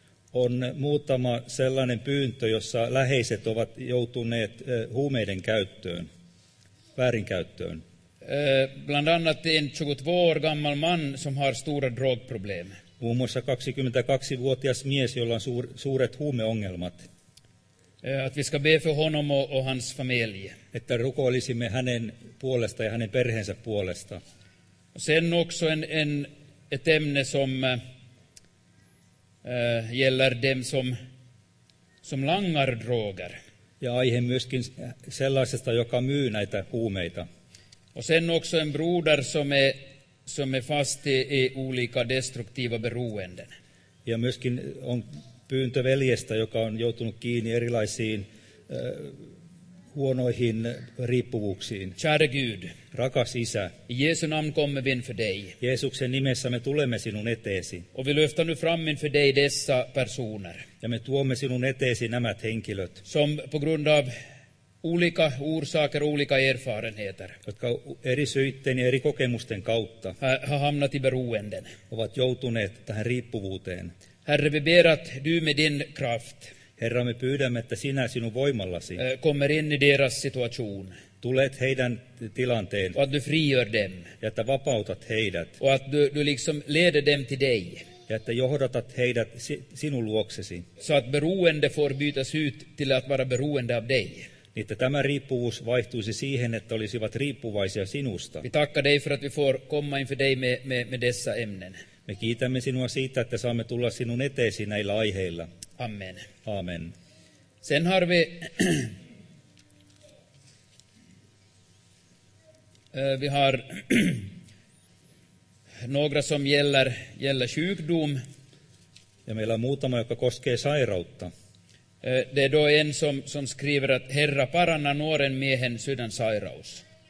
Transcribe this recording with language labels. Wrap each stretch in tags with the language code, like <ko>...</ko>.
<fi>On muutama sellainen pyyntö, jossa läheiset ovat joutuneet huumeiden käyttöön, väärinkäyttöön.</fi> <sv>Bland annat en 22 år gammal man som har stora drogproblem.</sv> <fi>Muun muassa 22-vuotias mies, jolla on suuret huumeongelmat.</fi> <sv>Att vi ska be för honom och hans familj.</sv> <fi>Että rukoilisimme hänen puolesta ja hänen perheensä puolesta.</fi> <sv>Sen också en ett ämne som gäller dem som langar droger.</sv> <fi>Ja aihe myöskin sellaisesta, joka myy näitä huumeita.</fi> <sv>Och sen också en broder som är fast i olika destruktiva beroenden.</sv> <fi>Ja myöskin on pyyntö veljestä, joka on joutunut kiinni erilaisiin huonoihin riippuvuuksiin.</fi> <sv>Käre Gud,</sv> <fi>rakas Isä,</fi> <sv>i Jesu namn kommer vi inför dig.</sv> <fi>Jeesuksen nimessä me tulemme sinun eteesi.</fi> <sv>Och vi lyfter nu fram inför dig dessa personer.</sv> <fi>Ja me tuomme sinun eteesi nämä henkilöt.</fi> <sv>Som på grund av olika orsaker, olika erfarenheter.</sv> <fi>Jotka eri syitten ja eri kokemusten kautta</fi> <sv>hamnat i beroenden.</sv> <fi>Ovat joutuneet tähän riippuvuuteen.</fi> <sv>Herre, vi ber att du med din kraft.</sv> <fi>Herra, me pyydämme, että sinä sinun voimallasi.</fi> <sv>Kommer in i deras situation.</sv> <fi>Tulet heidän tilanteen.</fi> <sv>Och att du frigör dem.</sv> <fi>Ja että vapautat heidät.</fi> <sv>Och att du liksom leder dem till dig.</sv> <fi>Ja että johdatat heidät sinun luoksesi.</fi> <sv>Så att beroende får bytas ut till att vara beroende av dig.</sv> <fi>Niin että tämä riippuvuus vaihtuisi siihen, että olisivat riippuvaisia sinusta.</fi> <sv>Vi tackar dig för att vi får komma inför dig med dessa ämnen.</sv> <fi>Me kiitämme sinua siitä, että saamme tulla sinun eteesi näillä aiheilla.</fi> <sv>Amen.</sv> <fi>Amen.</fi> <sv>Sen har vi... vi har några som gäller sjukdom.</sv> <fi>Ja meillä on muutama, joka koskee sairautta.</fi> <sv>Det är då en som skriver att</sv> <fi>Herra paranna nuoren miehen sydän sairaus.</fi>